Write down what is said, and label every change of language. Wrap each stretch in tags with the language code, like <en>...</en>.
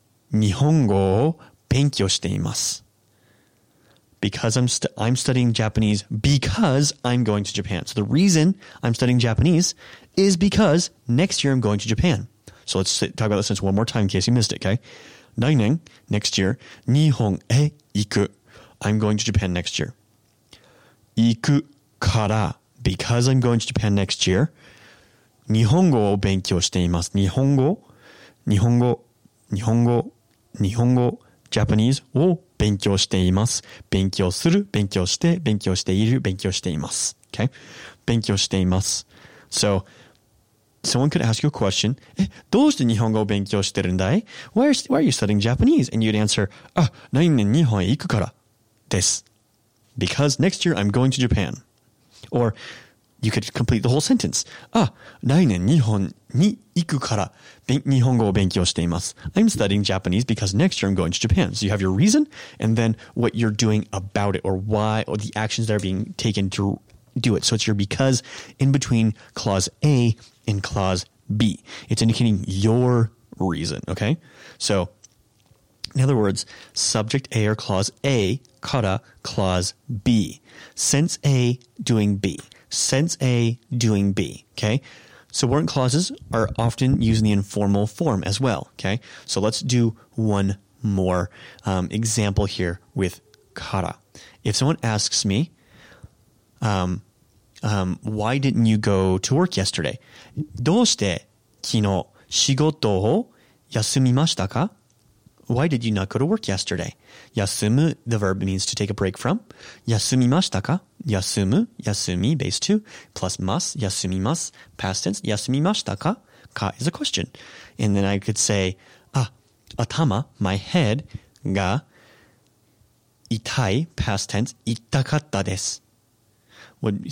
<ja>日本語を勉強しています.</ja> <en>Because I'm studying Japanese because I'm going to Japan. So the reason I'm studying Japanese is because next year I'm going to Japan. So let's talk about this sentence one more time in case you missed it, okay?</en> <ja>来年,</ja> <en>next year,</en> <ja>日本へ行く.</ja> <en>I'm going to Japan next year.</en> <ja>行くから,</ja> <en>because I'm going to Japan next year,</en> <ja>日本語を勉強しています。日本語、日本語、日本語、日本語、Japanese を勉強しています。勉強する、勉強して、勉強している、勉強しています。</ja> <en>Okay?</en> <ja>勉強しています。</ja> <en>So, someone could ask you a question.</en> <ja>え、どうして日本語を勉強してるんだい?</ja> <en>Why are you studying Japanese? And you'd answer,</en> <ja>来年日本へ行くからです。</ja> <en>Because next year I'm going to Japan. Or,you could complete the whole sentence.</en> <ja>来年日本に行くから日本語を勉強しています。</ja> <en>I'm studying Japanese because next year I'm going to Japan. So you have your reason and then what you're doing about it or why or the actions that are being taken to do it. So it's your because in between clause A and clause B. It's indicating your reason, okay? So in other words, subject A or clause A, kara, clause B. Sense A, doing B. Sense A, doing B, okay? Subordinate clauses are often used in the informal form as well, okay? So let's do one more example here with kara. If someone asks me, why didn't you go to work yesterday?</en> <ja>どうして昨日仕事を休みましたか?</ja> <en>Why did you not go to work yesterday? 休む, the verb means to take a break from.</en> <ja>休みましたか?</ja> <en>休む, 休み, base 2, plus mas, 休みます, past tense, 休みましたか?ka is a question. And then I could say, ah, atama, my head, ga, itai, past tense,</en> <ja>itakatta desu.</ja>